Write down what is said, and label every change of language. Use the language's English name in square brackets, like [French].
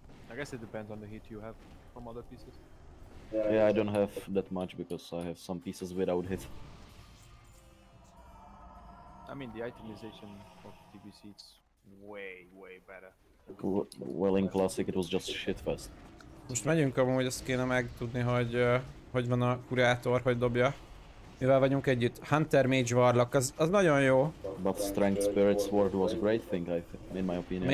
[English] I guess it depends on the hit you have from other pieces. Yeah, I don't have that much because I have some pieces without hit. I mean, the itemization of TBC is way, way better. Well, in Classic it was just shitfest. [Hungarian] Most megyünk amúgy, hogy azt kéne megtudni, hogy hogy van a kurátor, hogy dobja. Mivel vagyunk együtt, Hunter Mage Warlock, az nagyon jó. [English] But Strength Spirit Sword was a great thing, in my opinion.